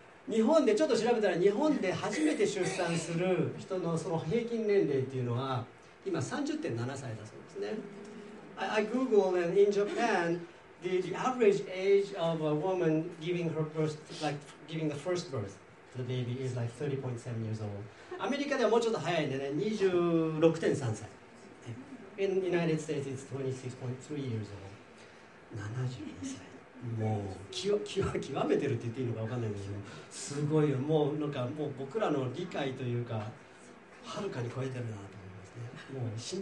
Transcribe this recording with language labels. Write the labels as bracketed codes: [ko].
[ja] 日本でちょっと調べたら、日本で初めて出産する人のその平均年齢っていうのは今 30.7 歳だそうですね。 [en] I Googled and in Japan, the average age of a woman giving her birth, like giving the first birth to the baby is like 30.7 years old. [ja] アメリカではもうちょっと早いんでね、26.3 歳。 [en] In the United States, it's 26.3 years old. [ja] 72歳。もう極めてるって言っていいのか分かんないんですけど、すごいよ。もうなんかもう僕らの理解というか、はるかに超えてるなと思いますね。